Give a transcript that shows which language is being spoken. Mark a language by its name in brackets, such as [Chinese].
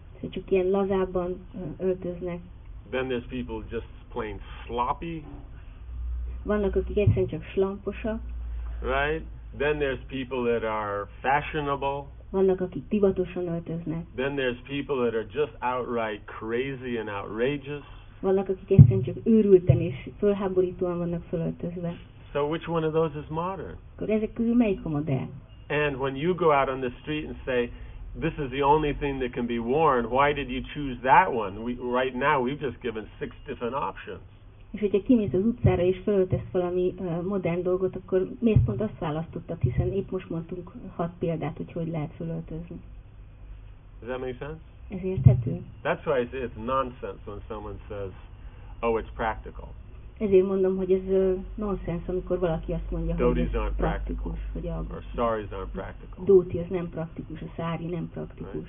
[Hungarian] Csak ilyen lazábban öltöznek. [English] Then there's people just plain sloppy. [Hungarian] Vannak, akik egyszerűen csak slamposak. [English] Right? Then there's people that are fashionable. [Hungarian] Vannak, akik divatosan öltöznek. [English] Then there's people that are just outright crazy and outrageous. [Hungarian] Vannak, akik egyszerűen csak őrülten és fölháborítóan vannak fölöltözve. [English] So which one of those is modern? [Hungarian] Akkor ezek közül melyik a modern? [English] And when you go out on the street and say, this is the only thing that can be worn, why did you choose that one? Right now we've just given six different options. [Hungarian] És hogyha kimész az utcára és felöltesz valami modern dolgot, akkor miért pont azt választottad, hiszen épp most mondtunk hat példát, hogy hogy lehet felöltözni. [English] Does that make sense? [Hungarian] Ez érthető? [English] That's why I say it's nonsense when someone says, oh, it's practical. [Hungarian] Ezért mondom, hogy ez nonsense, amikor valaki azt mondja, hogy ez [English] aren't [Hungarian] praktikus. [English] Practical. [Hungarian] Hogy a [English] or saris aren't practical. [Hungarian] Dóti az nem praktikus, a szári nem praktikus.